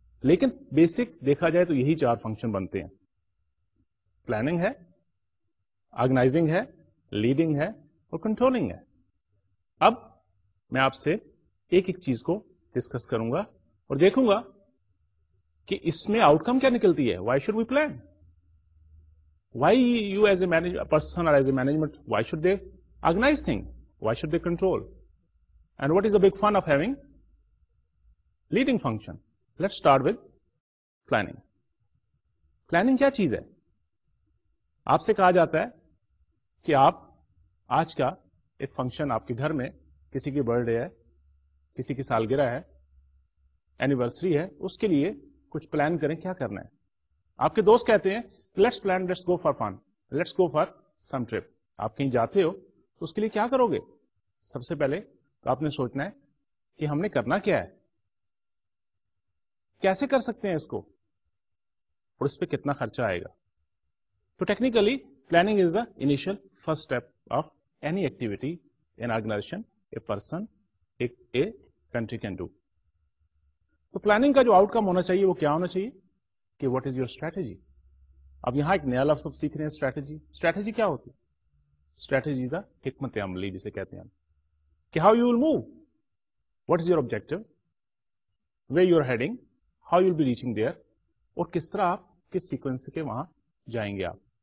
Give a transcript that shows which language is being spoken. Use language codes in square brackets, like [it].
[ur] لیکن بیسک دیکھا جائے تو یہی چار فنکشن بنتے ہیں. پلاننگ ہے, آرگنائزنگ ہے, لیڈنگ ہے اور کنٹرولنگ ہے. اب میں آپ سے ایک ایک چیز کو ڈسکس کروں گا اور دیکھوں گا کہ اس میں آؤٹ کم کیا نکلتی ہے. [en] Why should we plan, why you as a person اور as a management, why should they organise thing, why should they control, and what is the big fun of having leading function. Let's start with planning. [ur] Planning کیا چیز ہے؟ آپ سے کہا جاتا ہے کہ آپ آج کا ایک فنکشن, آپ کے گھر میں کسی کی برتھ ڈے ہے, کسی کی سالگرہ ہے, اینیورسری ہے, اس کے لیے کچھ پلان کریں کیا کرنا ہے. آپ کے دوست کہتے ہیں [en] Let's plan, let's go for fun, let's go for some trip. [ur] آپ کہیں جاتے ہو تو اس کے لیے کیا کرو گے؟ سب سے پہلے آپ نے سوچنا ہے کہ ہم نے کرنا کیا ہے, کیسے کر سکتے ہیں اس کو اور اس پہ کتنا خرچہ آئے گا. [en] تو technically planning is the initial first step of any activity an organisation a person a country can do. [ur] تو پلاننگ کا جو آؤٹ کم ہونا چاہیے وہ کیا ہونا چاہیے کہ [en] What is your strategy. [ur] اب یہاں ایک نیا لفظ سیکھ رہے ہیں اسٹریٹجی. اسٹریٹجی کیا ہوتی ہے؟ اسٹریٹجی دا حکمت عملی جسے کہتے ہیں. [en] کہ how you will move, what is your objective, way you are heading, how you will be reaching there [ur] اور کس طرح آپ کس سیکوینس کے وہاں جائیں گے آپ.